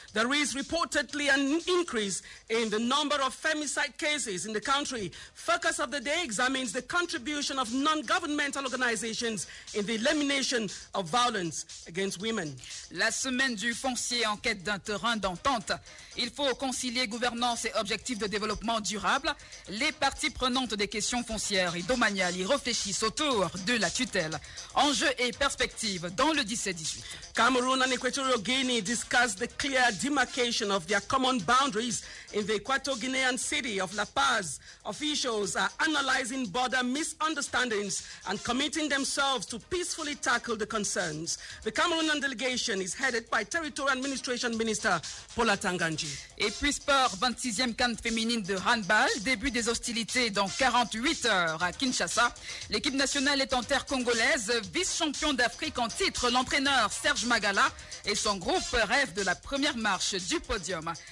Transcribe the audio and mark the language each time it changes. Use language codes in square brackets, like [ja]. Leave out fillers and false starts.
[en] There is reportedly an increase in the number of femicide cases in the country. Focus of the day examines the contribution of non-governmental organizations in the elimination of violence against women. [fr] La semaine du foncier en quête d'un terrain d'entente. Il faut concilier gouvernance et objectifs de développement durable. Les parties prenantes des questions foncières et domaniales y réfléchissent autour de la tutelle. Enjeux et perspectives dans le 17-18. [en] Cameroon and Equatorial Guinea discuss the clear demarcation of their common boundaries in the Equatorial Guinean city of La Paz. Officials are analyzing border misunderstandings and committing themselves to peacefully tackle the concerns. The Cameroonian delegation is headed by Territorial Administration Minister Paula Tanganji. [fr] Et puis sport, 26e CAN féminine de handball, début des hostilités dans 48 heures à Kinshasa. L'équipe nationale est en terre congolaise, vice-champion d'Afrique en titre. L'entraîneur Serge Magala et son groupe rêvent de la première marche du podium.